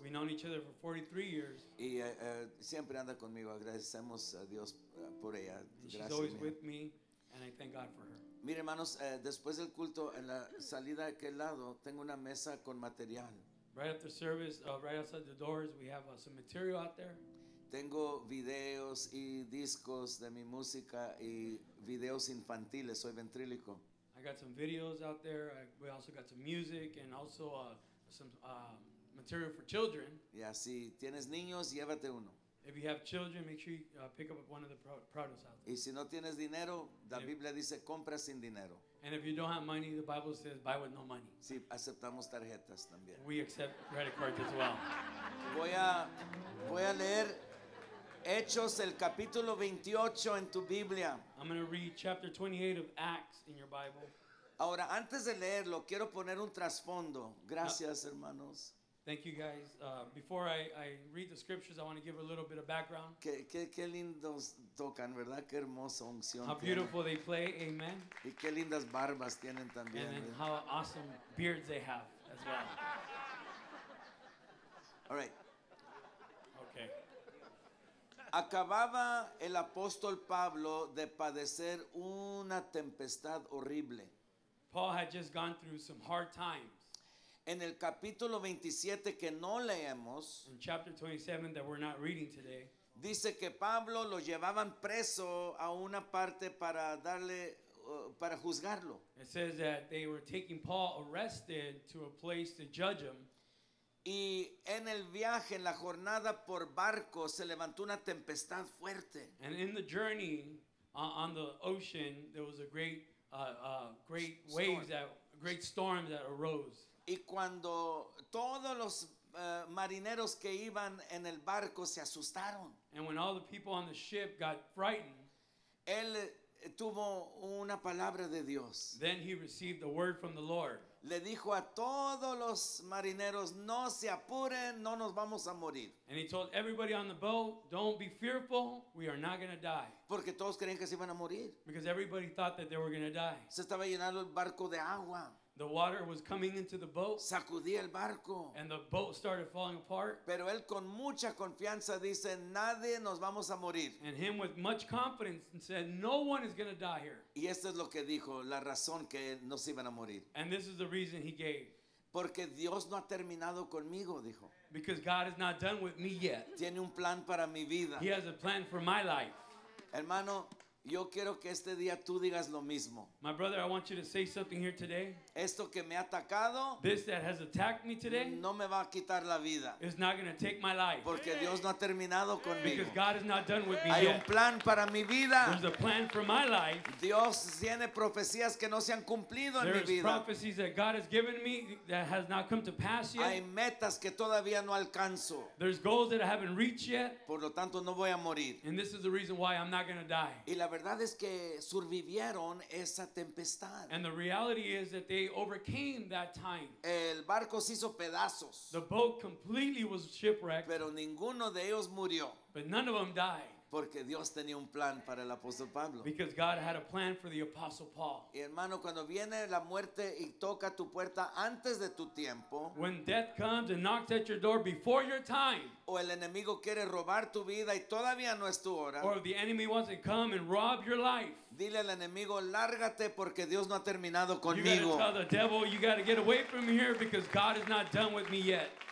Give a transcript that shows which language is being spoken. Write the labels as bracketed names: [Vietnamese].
[English] We've known each other for 43 years. [Spanish] Y siempre anda conmigo. Agradecemos a Dios por ella. [English] She's always with me, and I thank God for her. [Spanish] Mire, hermanos, después del culto, en la salida de aquel lado, tengo una mesa con material. [English] Right after service, right outside the doors, we have some material out there. [Spanish] Tengo videos y discos de mi música y videos infantiles. Soy ventrílico. [English] I got some videos out there. We also got some music and also some material for children. [Spanish] Yeah, si tienes niños, llévate uno. [English] If you have children, make sure you pick up one of the products out there. [Spanish] Y si no tienes dinero, la Biblia dice compra sin dinero. [English] And if you don't have money, the Bible says buy with no money. [Spanish] Sí, aceptamos tarjetas también. [English] We accept credit cards as well. [Spanish] Voy a leer Hechos el capítulo 28 en tu Biblia. [English] I'm going to read chapter 28 of Acts in your Bible. [Spanish] Ahora, antes de leerlo, quiero poner un trasfondo. Gracias, hermanos. [English] Thank you, guys. Before I read the scriptures, I want to give a little bit of background. [Spanish] Qué lindos tocan, ¿verdad? Qué hermosa unción. [English] How beautiful [Spanish] tienen. [English] They play, amen. [Spanish] Y qué lindas barbas tienen también. [English] And how awesome beards they have as well. All right. Okay. [Spanish] Acababa el apóstol Pablo de padecer una tempestad horrible. [English] Paul had just gone through some hard times. [Spanish] En el capítulo 27 que no leemos, [English] in chapter 27 that we're not reading today, [Spanish] dice que Pablo lo llevaban preso a una parte para darle, para juzgarlo. [English] It says that they were taking Paul arrested to a place to judge him. [Spanish] Y en el viaje, en la jornada por barco, se levantó una tempestad fuerte. [English] And in the journey on the ocean, there was a great storm. great storm that arose. [Spanish] Y cuando todos los marineros que iban en el barco se asustaron. [English] And when all the people on the ship got frightened, [Spanish] él tuvo una palabra de Dios. [English] Then he received a word from the Lord. [Spanish] Le dijo a todos los marineros, no se apuren, no nos vamos a morir. [English] And he told everybody on the boat, don't be fearful, we are not going to die. [Spanish] Porque todos creían que se iban a morir. [English] Because everybody thought that they were going to die. [Spanish] Se estaba llenando el barco de agua. [English] The water was coming into the boat. [Spanish] Sacudía el barco. [English] And the boat started falling apart. [Spanish] Pero él con mucha confianza dice, nadie nos vamos a morir. [English] And him with much confidence said, no one is going to die here. [Spanish] Y esto es lo que dijo, la razón que no se iban a morir. [English] And this is the reason he gave. [Spanish] Porque Dios no ha terminado conmigo, dijo. [English] Because God is not done with me yet. [Spanish] Tiene un plan para mi vida. [English] He has a plan for my life. [Spanish] Hermano, yo quiero que este día tú digas lo mismo. [English] My brother, I want you to say something here today. [Spanish] Esto que me ha atacado, [English] this that has attacked me today, [Spanish] no me va a quitar la vida. [English] It's not going to take my life. [Spanish] Porque Dios no ha terminado conmigo. [English] Because God is not done with me. [Spanish] Hay un plan para mi vida. [English] There's a plan for my life. [Spanish] Dios tiene profecías que no se han cumplido en mi vida. [English] There's prophecies that God has given me that has not come to pass yet. [Spanish] Hay metas que todavía no alcanzo. [English] There's goals that I haven't reached yet. [Spanish] Por lo tanto, no voy a morir. [English] And this is the reason why I'm not going to die. [Spanish] Y la verdad es que sobrevivieron esa tempestad. [English] And the reality is that they overcame that time. [Spanish] El barco se hizo pedazos. [English] The boat completely was shipwrecked. [Spanish] Pero ninguno de ellos murió. [English] But none of them died. [Spanish] Porque Dios tenía un plan para el apóstol Pablo. [English] Because God had a plan for the apostle Paul. [Spanish] Y hermano, cuando viene la muerte y toca tu puerta antes de tu tiempo, [English] when death comes and knocks at your door before your time, [Spanish] o el enemigo quiere robar tu vida y todavía no es tu hora, [English] or the enemy wants to come and rob your life, [Spanish] dile al enemigo, lárgate porque Dios no ha terminado conmigo. [English] You gotta tell the devil, you gotta get away from here because God is not done with me yet.